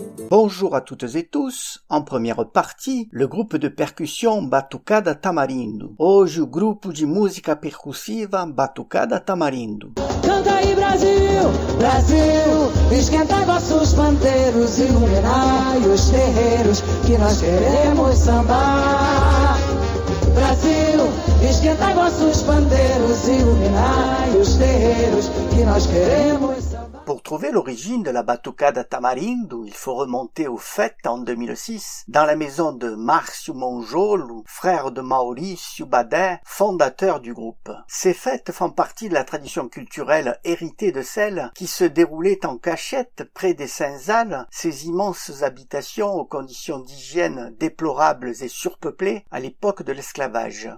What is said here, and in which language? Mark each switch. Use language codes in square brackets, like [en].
[fr] Bonjour à toutes et tous. En première partie, le groupe de percussion Batucada Tamarindo. [pt] Hoje, o grupo de música percussiva Batucada Tamarindo. Canta aí, Brasil, Brasil, esquenta vossos panteiros, iluminai os terreiros que nós queremos sambar. Brasil, esquenta vossos panteiros, iluminai os terreiros que nós queremos. [fr] Pour trouver l'origine de la Batucada Tamarindo, il faut remonter au fait en 2006, dans la maison de Márcio Monjolo, frère de Maurício Badin, fondateur du groupe. Ces fêtes font partie de la tradition culturelle héritée de celle qui se déroulait en cachette près des Cinzales, ces immenses habitations aux conditions d'hygiène déplorables et surpeuplées à l'époque de l'esclavage.